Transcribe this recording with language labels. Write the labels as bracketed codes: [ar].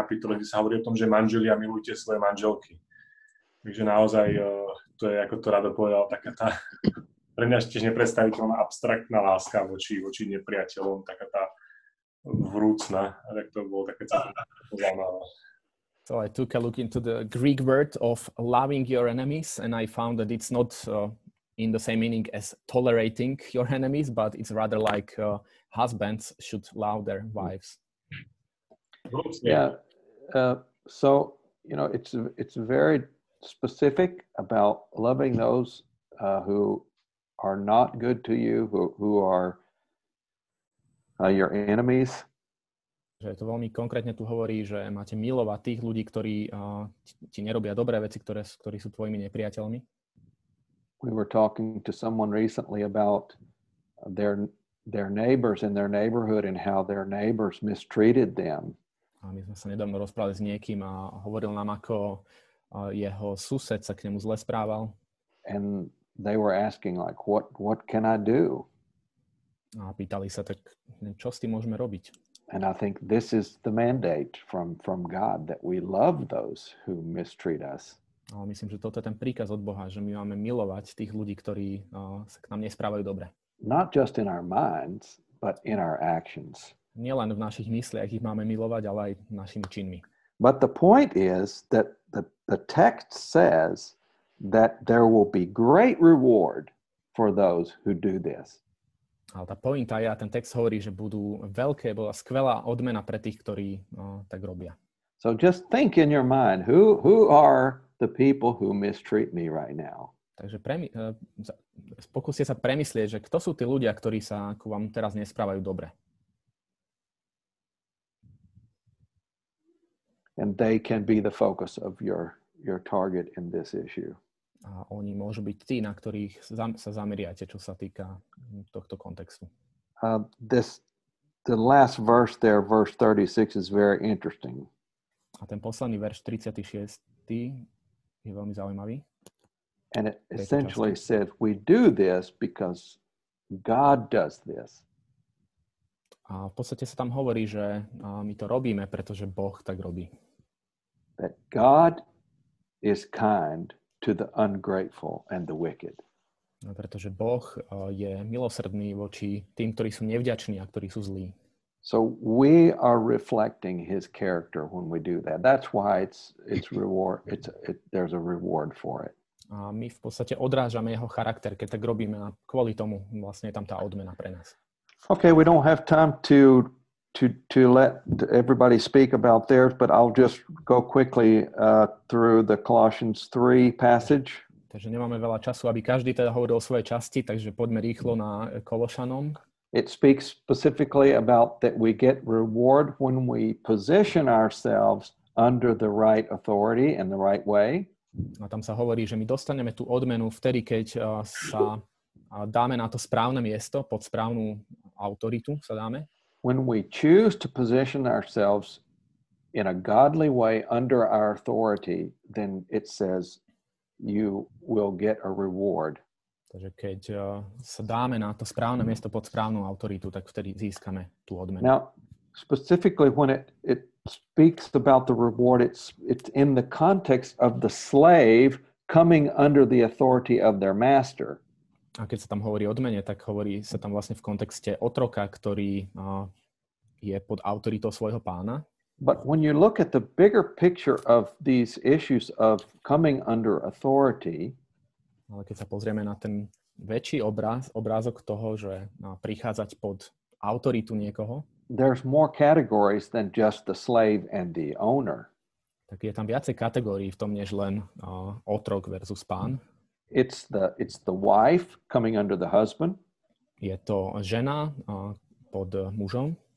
[sk] kapitole, kde sa hovorí o tom, že manželia, milujte svoje manželky. Takže naozaj, to je, ako to Rado povedal, taká tá pre mňa tiež nepredstaviteľná abstraktná láska voči nepriateľom, taká tá vrúcna, tak to bolo také zaujímavé. [en] So I took a look into the Greek word of loving your enemies and I found that it's not in the same meaning as tolerating your enemies, but it's rather like husbands should love their wives. Yeah. So, you know, it's very specific about loving those who are not good to you, who are your enemies. [sk] Že to veľmi konkrétne tu hovorí, že máte milovať tých ľudí, ktorí ti nerobia dobré veci, ktorí sú tvojimi nepriateľmi. [en] We were talking to someone recently about their neighbors in their neighborhood and how their neighbors mistreated them. [sk] A my sme sa nedávno rozprávali s niekým a hovoril nám, ako jeho sused sa k nemu zle správal. [en] And they were asking like, what can I do? [sk] A pýtali sa tak, čo s tým môžeme robiť? [en] And I think this is the mandate from God that we love those who mistreat us. [sk] A myslím, že toto je ten príkaz od Boha, že my máme milovať tých ľudí, ktorí sa k nám nesprávajú dobre. [en] Not just in our minds, but in our actions. [sk] Nielen v našich mysliach ich máme milovať, ale aj našimi činmi. [en] But the point is that the text says that there will be great reward for those who do this. [sk] Ale tá pointa je, a ten text hovorí, že budú veľké, bola skvelá odmena pre tých, ktorí tak robia. [en] So just think in your mind, who are the people who mistreat me right now. [sk] Takže pokúste sa premyslieť, že kto sú tí ľudia, ktorí sa ku vám teraz nesprávajú dobre. [en] And they can be the focus of your target in this issue. [sk] A oni môžu byť tí, na ktorých sa zameriate, čo sa týka tohto kontextu. [en] The last verse there, verse 36, is very interesting. [sk] A ten posledný verš 36. je veľmi zaujímavý. [en] And it essentially said, we do this because God does this. [sk] A v podstate sa tam hovorí, že my to robíme, pretože Boh tak robí. [en] That God is kind to the ungrateful and the wicked. [sk] No, pretože Boh je milosrdný voči tým, ktorí sú nevďační a ktorí sú zlí. [en] So we are reflecting his character when we do that. That's why there's a reward for it. [sk] A my v podstate odrážame jeho charakter, keď tak robíme, a kvôli tomu vlastne je tam tá odmena pre nás. [en] Okay, we don't have time to let everybody speak about theirs, but I'll just go quickly through the Colossians 3 passage. [sk] Takže nemáme veľa času, aby každý teda hovoril o svojej časti, takže poďme rýchlo na Kološanom. [en] It speaks specifically about that we get reward when we position ourselves under the right authority in the right way. [sk] A tam sa hovorí, že my dostaneme tú odmenu vtedy, keď sa dáme na to správne miesto, pod správnu autoritu sa dáme. [en] When we choose to position ourselves in a godly way under our authority, then it says you will get a reward. [sk] Takže keď sa dáme na to správne miesto pod správnu autoritu, tak vtedy získame tú odmenu. [en] Now, specifically when it speaks about the reward, it's in the context of the slave coming under the authority of their master. [sk] A keď sa tam hovorí o odmene, tak hovorí sa tam vlastne v kontexte otroka, ktorý je pod autoritou svojho pána. [en] But when you look at the bigger picture of these issues of coming under authority, [sk] ale keď sa pozrieme na ten väčší obrázok toho, že prichádzať pod autoritu niekoho, [en] there's more categories than just the slave and the owner. [sk] Tak je tam viacej kategórií v tom, než len otrok versus pán. [en] It's the wife coming under the husband. [sk] Je to žena pod mužom.